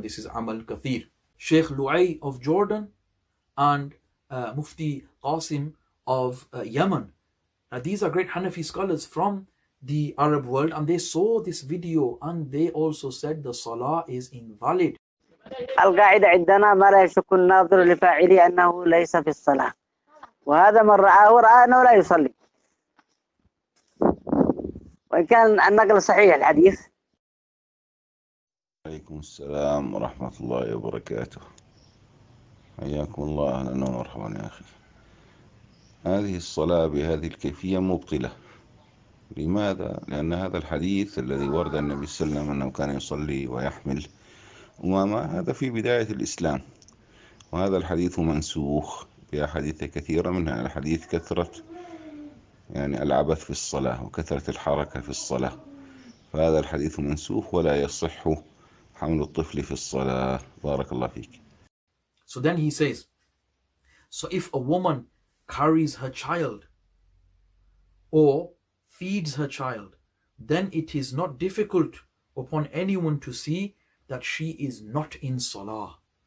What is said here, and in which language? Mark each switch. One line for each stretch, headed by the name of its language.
English: This is Amal Kathir. Sheikh Lu'ay of Jordan and Mufti Qasim of Yemen. Now these are great Hanafi scholars from the Arab world, and they saw this video and they also said the Salah is invalid.
Arabic: القاعدة عندنا ما لا يشك الناظر لفاعله أنه ليس في الصلاة وهذا من رآه ورآه أنه لا يصلي وإن كان النقل صحيح الحديث. عليكم السلام ورحمة الله وبركاته. حياكم الله. أهلا ومرحبا يا أخي. هذه الصلاة بهذه الكيفية مبطلة. لماذا؟ لأن هذا الحديث الذي ورد النبي صلى الله عليه وسلم أنه كان يصلي ويحمل أمامة هذا في بداية الإسلام، وهذا الحديث منسوخ بأحاديث كثيرة، منها الحديث كثرة يعني العبث في الصلاة وكثرة الحركة في الصلاة، فهذا الحديث منسوخ ولا يصح حمل الطفل في الصلاة. بارك الله فيك.
English: So then he says, so if a woman carries her child or feeds her child, then it is not difficult upon anyone to see that she is not in Salah.